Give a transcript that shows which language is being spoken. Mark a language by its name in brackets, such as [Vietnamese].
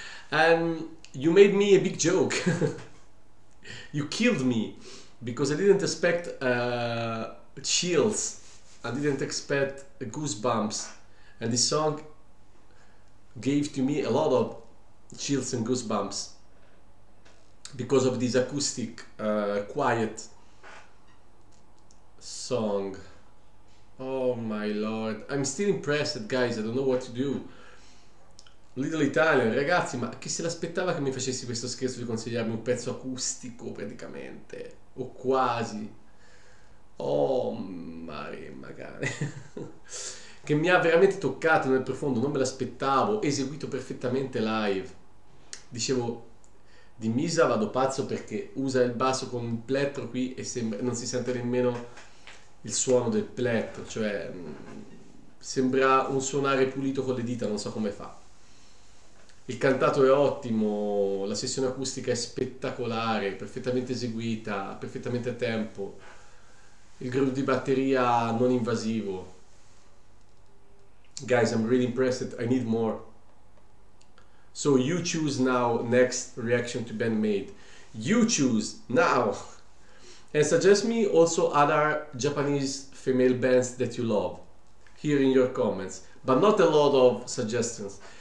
[English] And you made me a big joke. You killed me because I didn't expect chills, I didn't expect goosebumps, and this song gave to me a lot of chills and goosebumps because of this acoustic quiet song. Oh my lord, I'm still impressed guys, I don't know what to do. [Italian] Little Italian, ragazzi, ma chi se l'aspettava che mi facessi questo scherzo di consigliarmi un pezzo acustico praticamente, o quasi. Oh mare magari. Che mi ha veramente toccato nel profondo, non me l'aspettavo, eseguito perfettamente live. Dicevo, di Misa vado pazzo perché usa il basso con il plettro qui e sembra, non si sente nemmeno il suono del plettro, cioè sembra un suonare pulito con le dita, non so come fa. Il cantato è ottimo, la sessione acustica è spettacolare, perfettamente eseguita, perfettamente a tempo, il groove di batteria non invasivo. [English] Guys, I'm really impressed, I need more. So you choose now next reaction to bandmaid. You choose now! And suggest me also other Japanese female bands that you love here in your comments, but not a lot of suggestions.